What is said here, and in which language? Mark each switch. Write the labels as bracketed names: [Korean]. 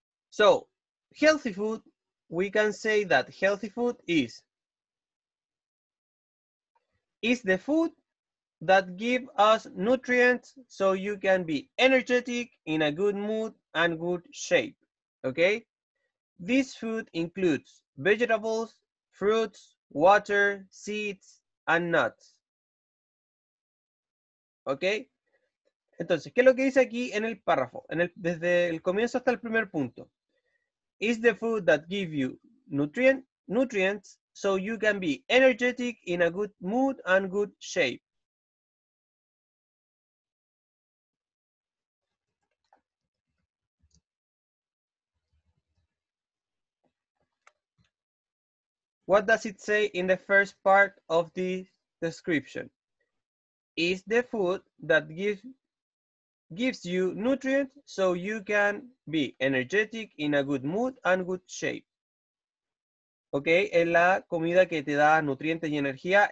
[English] So healthy food, we can say that healthy food is the food that give us nutrients so you can be energetic, in a good mood, and good shape, okay? This food includes vegetables, fruits, water, seeds, and nuts, okay? [Spanish] Entonces, ¿qué es lo que dice aquí en el párrafo? Desde el comienzo hasta el primer punto. [English] Is the food that give you nutrients so you can be energetic, in a good mood, and good shape. What does it say in the first part of the description? Is the food that gives you nutrients so you can be energetic, in a good mood, and good shape. [Spanish] Okay, ¿es la comida que te da nutrientes y energía?